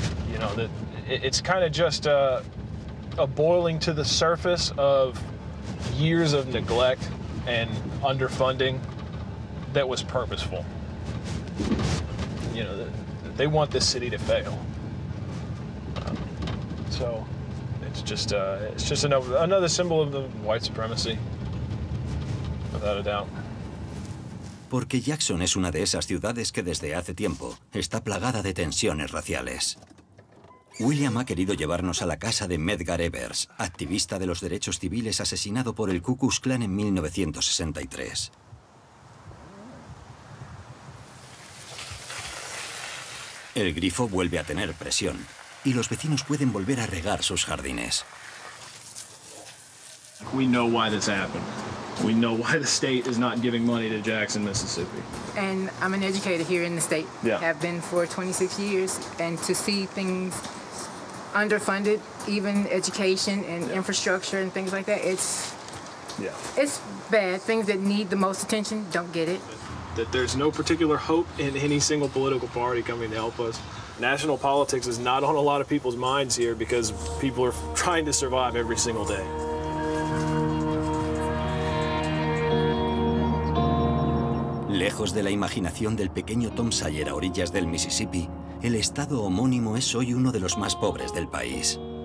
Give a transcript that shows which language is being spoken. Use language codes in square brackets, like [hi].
[en] You know, that it's kind of just a boiling to the surface of years of neglect and underfunding that was purposeful. You know, they want this city to fail. So it's just another symbol of the white supremacy, without a doubt. [es] Porque Jackson es una de esas ciudades que desde hace tiempo está plagada de tensiones raciales. William ha querido llevarnos a la casa de Medgar Evers, activista de los derechos civiles asesinado por el Ku Klux Klan en 1963. El grifo vuelve a tener presión y los vecinos pueden volver a regar sus jardines. [en] We know why this happened. We know why the state is not giving money to Jackson, Mississippi. And I'm an educator here in the state. Yeah. Have been for 26 years. And to see things underfunded, even education and infrastructure and things like that, it's bad. Things that need the most attention don't get it. That there's no particular hope in any single political party coming to help us. National politics is not on a lot of people's minds here because people are trying to survive every single day. [es] Lejos de la imaginación del pequeño Tom Sawyer a orillas del Mississippi, el estado homónimo es hoy uno de los más pobres del país.